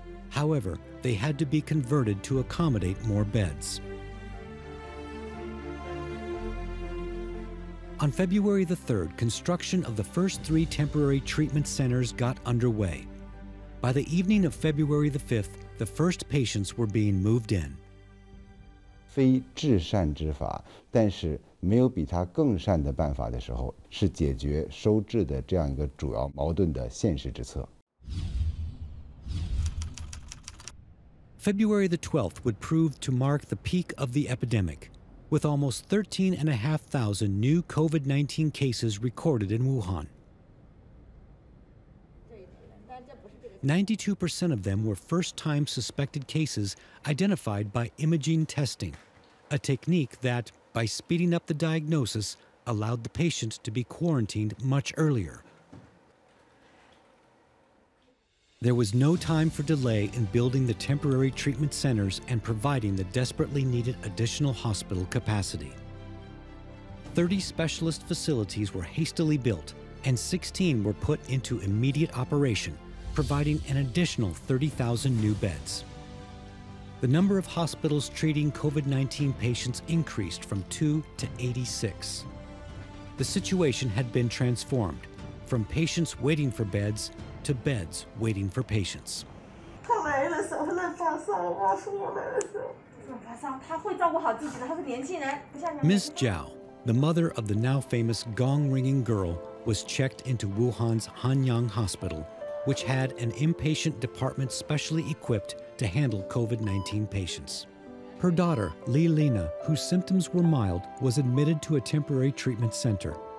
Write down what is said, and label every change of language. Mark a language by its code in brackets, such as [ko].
[en] However, they had to be converted to accommodate more beds. On February the 3rd, construction of the first three temporary treatment centers got underway. By the evening of February the 5th, the first patients were being moved in. [zh] 非至善之法，但是没有比它更善的办法的时候，是解决收治的这样一个主要矛盾的现实之策。 [en] February the 12th would prove to mark the peak of the epidemic, with almost 13,500 new COVID-19 cases recorded in Wuhan. 92% of them were first-time suspected cases identified by imaging testing, a technique that, by speeding up the diagnosis, allowed the patient to be quarantined much earlier. There was no time for delay in building the temporary treatment centers and providing the desperately needed additional hospital capacity. 30 specialist facilities were hastily built, and 16 were put into immediate operation, providing an additional 30,000 new beds. The number of hospitals treating COVID-19 patients increased from 2 to 86. The situation had been transformed from patients waiting for beds to beds waiting for patients. [zh] 他来了，能不能发烧？我说我来了，不发烧，他会照顾好自己的。他是年轻人，不像你。 [en] Ms. Zhao, the mother of the now famous gong-ringing girl, was checked into Wuhan's Hanyang Hospital, which had an inpatient department specially equipped to handle COVID-19 patients. Her daughter, Li Lina, whose symptoms were mild, was admitted to a temporary treatment center.